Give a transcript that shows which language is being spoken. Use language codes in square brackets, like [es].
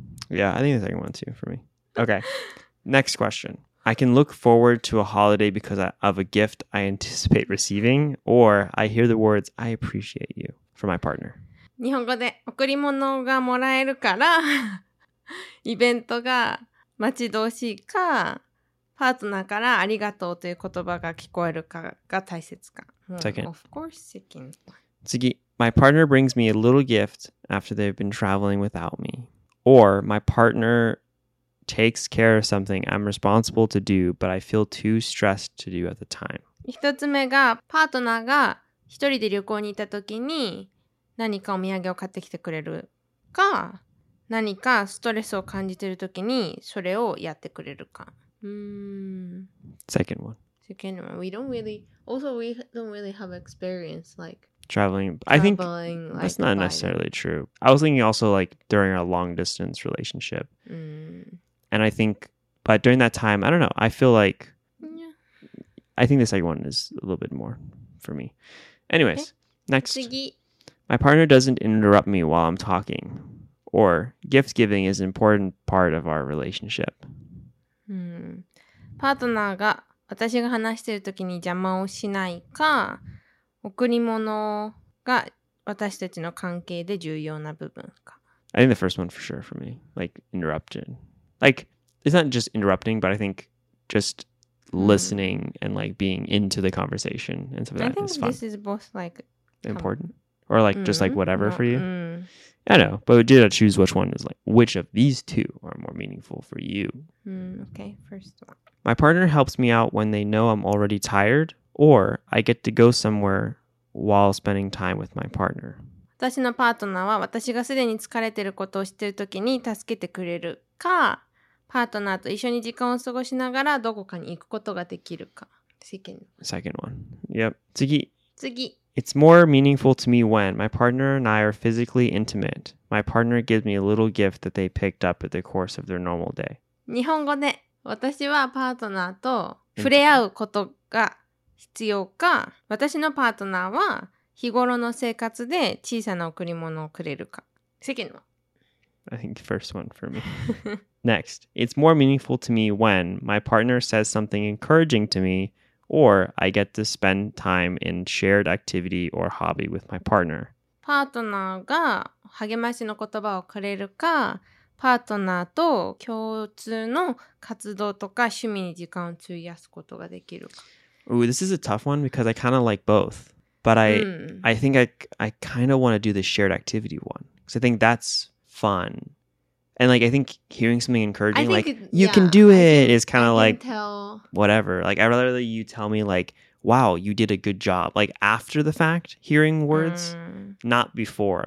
[en] yeah, I think the second one too for me. Okay. Next question. I can look forward to a holiday because of a gift I anticipate receiving, or I hear the words, I appreciate you, from my partner. [ja] 日本語で贈り物がもらえるから、イベントが待ち遠しいか、パートナーからありがとうという言葉が聞こえるかが大切か。 [en] Second. Of course, second. [ja] 次。 [en] My partner brings me a little gift after they've been traveling without me, or my partner... takes care of something I'm responsible to do, but I feel too stressed to do at the time. [ja] 一つ目が、パートナーが一人で旅行に行った時に何かお土産を買ってきてくれるか、何かストレスを感じている時にそれをやってくれるか。 [en] Second one. Second one. We don't really... Also, we don't really have experience, like... Traveling, I think like that's not necessarily true. I was thinking also like during a long distance relationship. And I think, but during that time, I don't know. I feel like, yeah. I think the second one is a little bit more for me. Anyways, okay. Next. [ja] 次. [en] My partner doesn't interrupt me while I'm talking. Or gift giving is an important part of our relationship. [ja] パートナーが私が話してる時に邪魔をしないか、贈り物が私たちの関係で重要な部分か。 [en] I think the first one for sure for me. Like, interruption. Like, it's not just interrupting, but I think just listening and, like, being into the conversation and stuff like that is fun. I think this is both, like... Important? Or, like, just, like, whatever for you? I don't know. But we did choose which one is, like, which of these two are more meaningful for you. Okay, first one. My partner helps me out when they know I'm already tired. Or, I get to go somewhere while spending time with my partner. [ja] 私のパートナーは私がすでに疲れてることを知ってるときに助けてくれるか、パートナーと一緒に時間を過ごしながらどこかに行くことができるか。 [en] Second one. Yep. [ja] 次。次。 [en] It's more meaningful to me when my partner and I are physically intimate. My partner gives me a little gift that they picked up at the course of their normal day. [ja] 日本語で、私はパートナーと触れ合うことが必要か、私のパートナーは日頃の生活で小さな贈り物をくれるか。 [en] Second one. I think the first one for me. Next. It's more meaningful to me when my partner says something encouraging to me or I get to spend time in shared activity or hobby with my partner. [ja] パートナーが励ましの言葉をくれるか、パートナーと共通の活動とか趣味に時間を費やすことができるか。 [en] Ooh, this is a tough one because I kind of like both. But I think I kind of want to do the shared activity one. Because I think that's fun. And like, I think hearing something encouraging, like, you can do it, is kind of like, whatever. Like, I'd rather you tell me, like, wow, you did a good job. Like, after the fact, hearing words, not before.